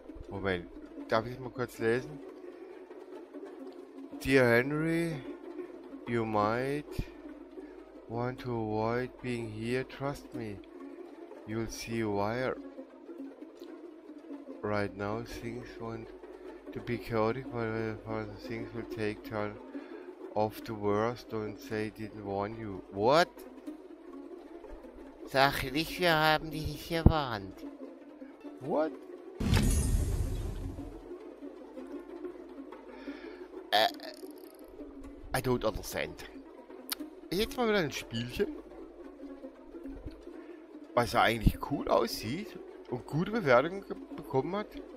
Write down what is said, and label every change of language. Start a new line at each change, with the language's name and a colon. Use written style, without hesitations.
German: Moment, darf ich mal kurz lesen?
English: Dear Henry, you might want to avoid being here. Trust me, you'll see why. Right now, things want to be chaotic, but things will take turn off the worst. Don't say didn't warn you. What?
German: Sag nicht, wir haben dich nicht gewarnt.
English: What? I don't understand.
German: Jetzt mal wieder ein Spielchen, was ja eigentlich cool aussieht und gute Bewertungen bekommen hat.